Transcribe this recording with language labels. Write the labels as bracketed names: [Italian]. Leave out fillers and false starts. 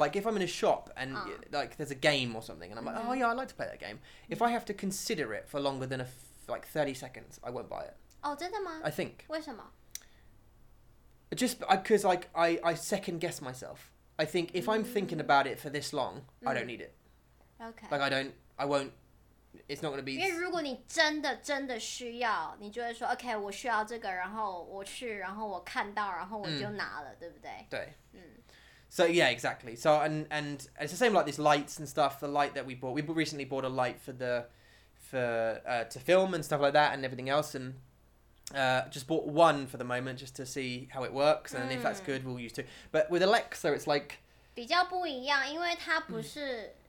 [English] Like, if I'm in a shop and, like, there's a game or something, and I'm like, oh, yeah, I'd like to play that game. If I have to consider it for longer than, like, 30 seconds, I won't buy it. [Chinese] Oh, 真的吗? [English] I think. [Chinese] 为什么? [English] Just because, like, I second-guess myself. I think if I'm thinking about it for this long, I don't need it. Okay. Like, I won't... It's not going to be... [Chinese] 因为如果你真的需要, 你就会说, [English] okay, [Chinese] 我需要这个, 然后我去, 然后我看到, 然后我就拿了, 对不对? 对。 [English] So, yeah, exactly. So, and it's the same like these lights and stuff, the light that we bought. We recently bought a light to film and stuff like that and everything else, and just bought one for the moment just to see how it works, and if that's good, we'll use two. But with Alexa, it's like... [Chinese] 比较不一样, 因为它不是...